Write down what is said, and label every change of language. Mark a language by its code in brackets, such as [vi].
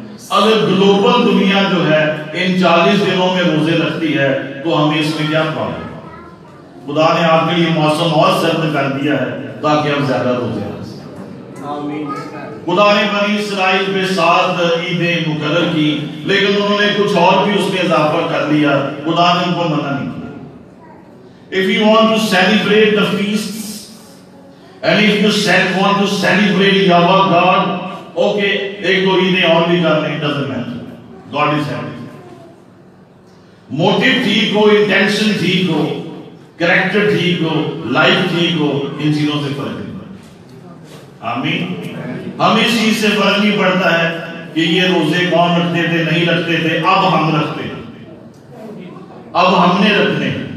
[ur] اگر گلوبل دنیا جو ہے ان 40 دنوں میں روزے رکھتی ہے تو ہمیں اس میں کیا پرابلم؟ خدا نے آپ کے لیے موسم اور سرد کر دیا ہے تاکہ ہم زیادہ روزے رکھ سکیں. خدا نے بنی اسرائیل پہ 7 عیدیں مقرر کی، لیکن انہوں نے کچھ اور بھی اس میں اضافہ کر لیا، خدا نے ان کو منع نہیں کیا. [en] If you want to celebrate the feasts and if you want to celebrate Yahweh God, okay, [ur] ایک دو عیدیں اور بھی کر لیں، [en] doesn't matter. God is happy. [ur] Motive ٹھیک ہو، intention ٹھیک ہو، character ٹھیک ہو، life ٹھیک ہو، ان چیزوں سے فرق نہیں پڑتا. آمین. ہم اس چیز سے فرق نہیں پڑتا ہے کہ یہ روزے کون رکھتے تھے، نہیں رکھتے تھے، اب ہم رکھتے ہیں، اب ہم نے رکھنے.